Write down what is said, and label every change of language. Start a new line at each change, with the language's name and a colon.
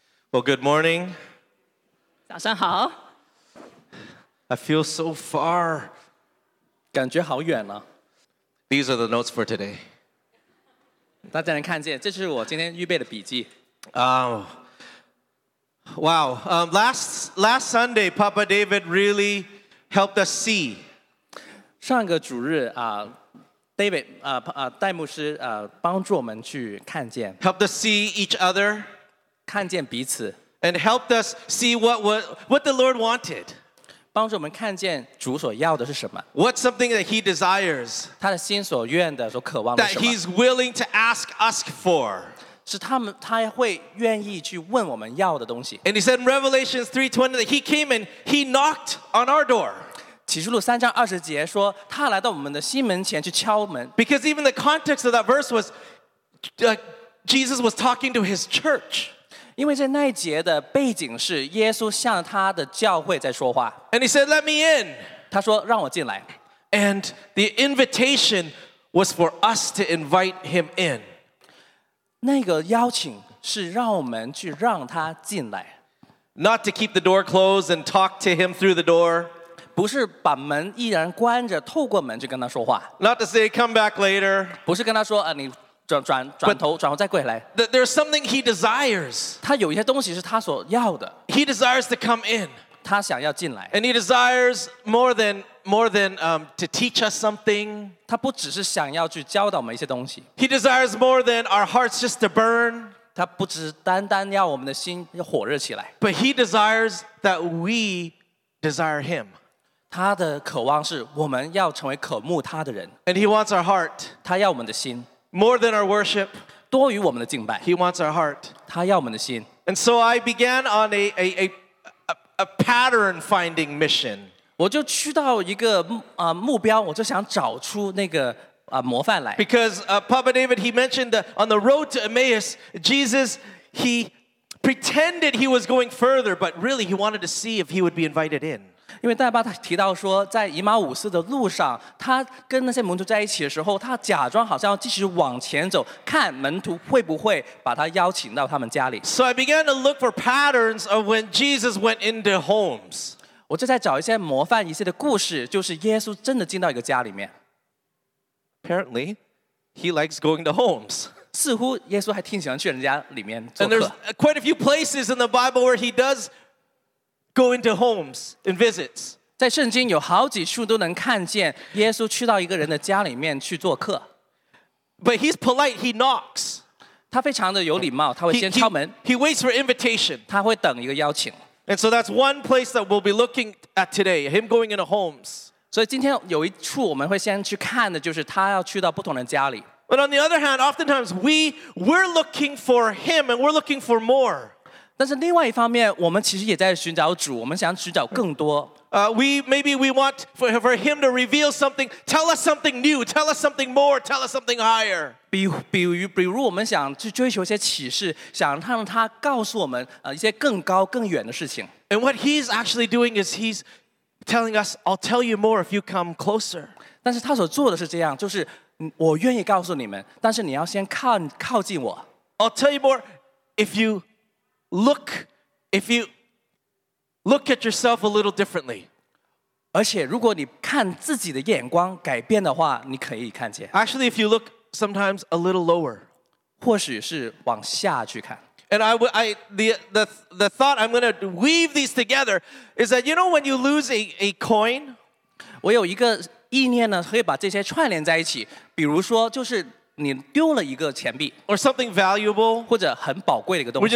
English: Well, good morning.
Chinese: 早上好。
English: I feel so far.
Chinese: 感觉好远了。
English: These are the notes for today.
Chinese: 大家能看见，这是我今天预备的笔记。
English: Wow. Last Sunday, Papa David really helped us see.
Chinese: 上个主日啊。David, 戴牧师帮助我们去看见
English: helped us see each other,
Chinese: 看见彼此
English: and helped us see what the Lord wanted,
Chinese: 帮助我们看见主所要的是什么
English: what's something that He desires,
Chinese: 他的心所愿的所渴望的是什么
English: that He's willing to ask for,
Chinese: 是他会愿意去问我们要的东西
English: and He said in Revelation 3:20 that He came and He knocked on our door.
Chinese: 启示录三章二十节说，他来到我们的心门前去敲门。
English: Because even the context of that verse was, Jesus was talking to his church.
Chinese: 因为在那一节的背景是耶稣向他的教会在说话。
English: And he said, "Let me in."
Chinese: 他说让我进来。
English: And the invitation was for us to invite him in.
Chinese: 那个邀请是让我们去让他进来。
English: Not to keep the door closed and talk to him through the door.
Chinese: 不是把门依然关着，透过门去跟他说话。
English: Not to say come back later.
Chinese: 不是跟他说啊，你转头再过来。
English: There's something he desires.
Chinese: 他有一些东西是他所要的。
English: He desires to come in.
Chinese: 他想要进来。
English: And he desires more than to teach us something.
Chinese: 他不只是想要去教导我们一些东西。
English: He desires more than our hearts just to burn.
Chinese: 他不只单单要我们的心火热起来。
English: But he desires that we desire him.
Chinese: 他的渴望是我们要成为渴慕他的人
English: And he wants our heart
Chinese: 他要我们的心
English: More than our worship
Chinese: 多于我们的敬拜
English: He wants our heart
Chinese: 他要我们的心
English: And so I began on a pattern finding mission
Chinese: 我就去到一个目标我就想找出那个模范来
English: Because Papa David he mentioned that on the road to Emmaus Jesus he pretended he was going further but really he wanted to see if he would be invited in
Chinese: 因为大巴他提到说在以马忤寺的路上他跟那些门徒在一起的时候他假装好像要继续往前走看门徒会不会把他邀请到他们家里
English: So I began to look for patterns of when Jesus went into homes
Chinese: 我就在找一些模范一些的故事就是耶稣真的进到一个家里面
English: Apparently he likes going to homes
Chinese: 似乎耶稣还挺喜欢去人家里面做客
English: And there's quite a few places in the Bible where he doesGo into homes and visits.
Chinese: 在圣经有好几处都能看见耶稣去到一个人的家里面去做客。
English: But he's polite. He knocks.
Chinese: 他非常的有礼貌，他会先敲门。
English: He waits for invitation.
Chinese: 他会等一个邀请。
English: And so that's one place that we'll be looking at today. Him going into homes.
Chinese: 所以今天有一处我们会先去看的就是他要去到不同人家里。
English: But on the other hand, oftentimes we're looking for him and we're looking for more.
Chinese: 但是另外一方面，我们其实也在寻找主，我们想寻找更多。
English: We want for him to reveal something, tell us something new, tell us something more, tell us something higher.
Chinese: 比如我们想去追求一些启示，想让他告诉我们一些更高更远的事情。
English: And what he's actually doing is he's telling us, "I'll tell you more if you come closer."
Chinese: 但是他所做的是这样，就是我愿意告诉你们，但是你要先靠近我。
English: I'll tell you more if youLook, if you look at yourself a little differently.
Chinese: 而且如果你看自己的眼光改变的话，你可以看见。
English: Actually, if you look sometimes a little lower.
Chinese: 或许是往下去看。
English: And the thought I'm going to weave these together is that, you know, when you lose a coin.
Chinese: 我有一个意念呢，可以把这些串联在一起。比如说就是。你丢了一个钱币
English: or something valuable
Chinese: 或者很宝贵的一个东西